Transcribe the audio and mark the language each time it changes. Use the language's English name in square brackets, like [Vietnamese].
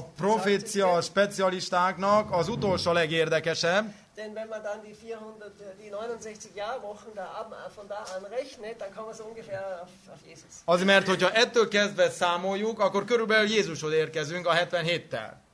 [Hungarian] a profécia specialistáknak az utolsó legérdekesebb. [German] Denn wenn man dann die 69 Jahrwochen von da an rechnet, dann kommen wir so ungefähr auf Jesus. [Hungarian] Az, mert hogyha ettől kezdve számoljuk, akkor körülbelül Jézushoz érkezünk a 77-tel.